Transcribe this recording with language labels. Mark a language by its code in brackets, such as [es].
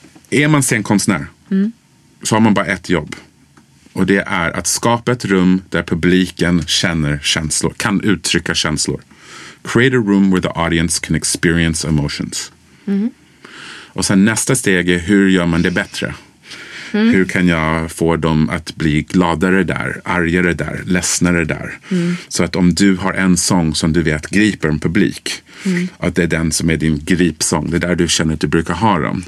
[sv] Är man scenkonstnär så har man bara ett jobb. Och det är att skapa ett rum där publiken känner känslor, kan uttrycka känslor. [en] Create a room where the audience can experience emotions. Mm. [sv] Och sen nästa steg är hur gör man det bättre? Mm. Hur kan jag få dem att bli gladare där, argare där, ledsnare där? Mm. Så att om du har en sång som du vet griper en publik, mm. att det är den som är din gripsång, det är där du känner att du brukar ha dem.